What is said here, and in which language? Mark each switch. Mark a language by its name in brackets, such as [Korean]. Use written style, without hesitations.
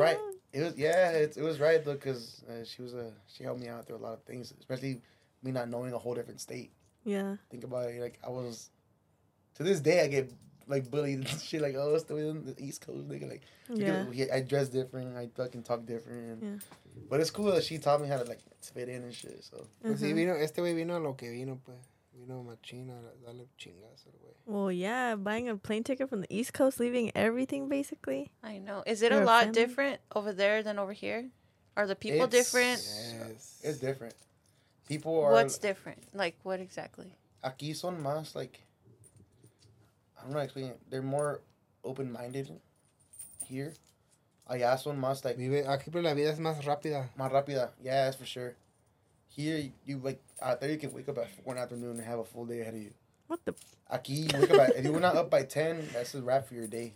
[English] Right. It was, yeah, it was right, though, because she helped me out through a lot of things, especially me not knowing a whole different state. Yeah. Think about it, like, I was, to this day, I get like bullied and shit, like, oh, it's the way on the East Coast, nigga. Like, yeah. I dress different, I fucking talk different. Yeah. But it's cool that she taught me how to, like, spit in and shit, so. Mm-hmm. [Spanish] Vino, este güey vino a lo que vino, pues. Vino machina, dale chingazo, güey. [English] Well, yeah, buying a plane ticket from the East Coast, leaving everything, basically. I know. Is it a lot family? Different over there than over here? Are the people it's, different? Yes. It's different. People are. What's like, different? Like, what exactly? [Spanish] Aquí son más, [English] like. I'm not explaining. They're more open-minded here. [Spanish] Allá son más, [English] like... [Spanish] Vive, aquí, pero la vida es más rápida. Más rápida. [English] Yeah, that's for sure. Here, you, like... Out there, you can wake up at 4 in the afternoon and have a full day ahead of you. What the... Aquí, you wake up at... If you were not up by 10, that's a wrap for your day.